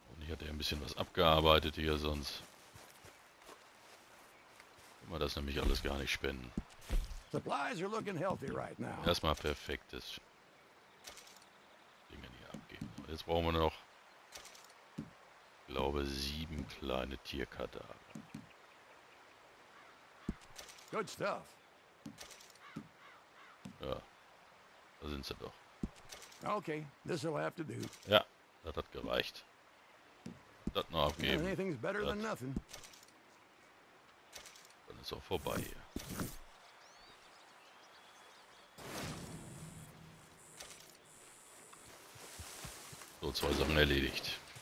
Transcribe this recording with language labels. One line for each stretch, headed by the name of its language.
German: hat er ein bisschen was abgearbeitet hier sonst. Kann man das nämlich alles gar nicht spenden.
English: Supplies are looking healthy right now.
German: Erstmal perfektes Ding hier abgeben. Und jetzt brauchen wir noch, glaube, 7 kleine Tierkadaver.
English: Good stuff.
German: Ja, da sind sie doch.
English: Okay, this will have to do.
German: Ja, das hat gereicht. Das noch abgeben.
English: Anything's better than nothing.
German: Dann ist auch vorbei hier. So, 2 Sachen erledigt.